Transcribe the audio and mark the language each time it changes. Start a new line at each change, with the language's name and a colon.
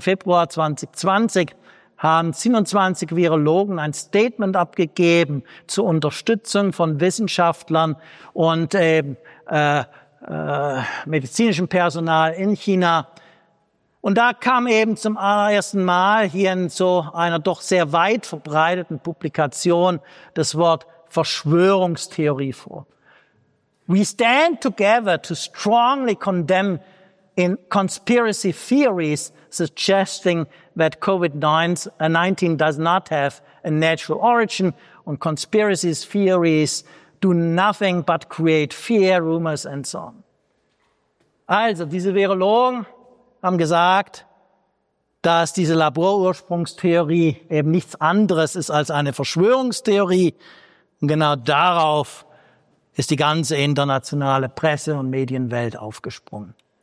German: Februar 2020, haben 27 Virologen ein Statement abgegeben zur Unterstützung von Wissenschaftlern und medizinischem Personal in China. Und da kam eben zum allerersten Mal hier in so einer doch sehr weit verbreiteten Publikation das Wort Verschwörungstheorie vor.
English: We stand together to strongly condemn in conspiracy theories suggesting that COVID-19 does not have a natural origin and conspiracy theories do nothing but create fear, rumors and so on.
German: Also, diese Virologen haben gesagt, dass diese Laborursprungstheorie eben nichts anderes ist als eine Verschwörungstheorie. Und genau darauf ist die ganze internationale Presse- und Medienwelt aufgesprungen.